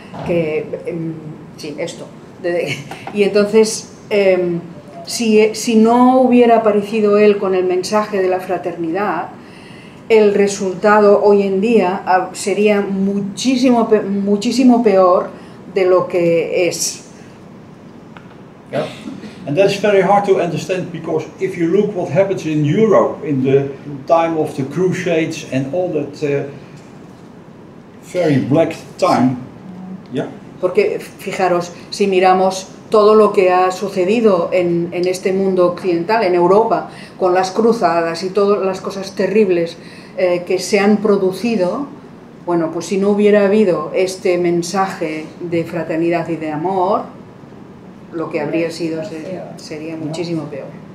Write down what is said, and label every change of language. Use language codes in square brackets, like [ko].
[es] Que, sí, esto. Y entonces si no hubiera aparecido él con el mensaje de la fraternidad, el resultado hoy en día sería muchísimo, muchísimo peor de lo que es. [en] Yeah. And that's very hard to understand, because if you look what happens in Europe in the time of the Crusades and all that very black time, yeah. [es] Porque fijaros, si miramos todo lo que ha sucedido en este mundo occidental, en Europa, con las cruzadas y todas las cosas terribles que se han producido, bueno, pues si no hubiera habido este mensaje de fraternidad y de amor, lo que habría sido sería muchísimo peor.